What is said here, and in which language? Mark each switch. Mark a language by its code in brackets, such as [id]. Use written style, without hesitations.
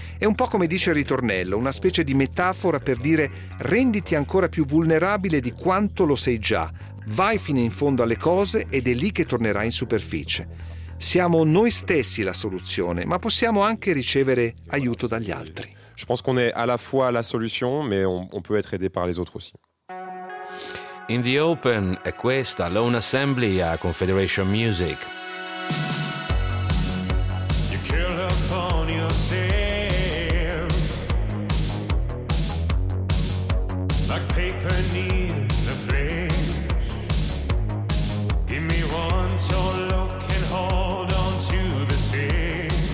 [it] È un po' come dice il ritornello, una specie di metafora per dire renditi ancora più vulnerabile di quanto lo sei già, vai fino in fondo alle cose ed è lì che tornerai in superficie. Siamo noi stessi la soluzione, ma possiamo anche ricevere aiuto dagli altri. [fr] Je pense qu'on est à la fois la solution, mais on peut être aidé par les autres aussi. [it] In the Open è questa Lone Assembly a Confederation Music. [en] You kill upon yourself like paper near the flames. Give me one to look and hold on to the sea.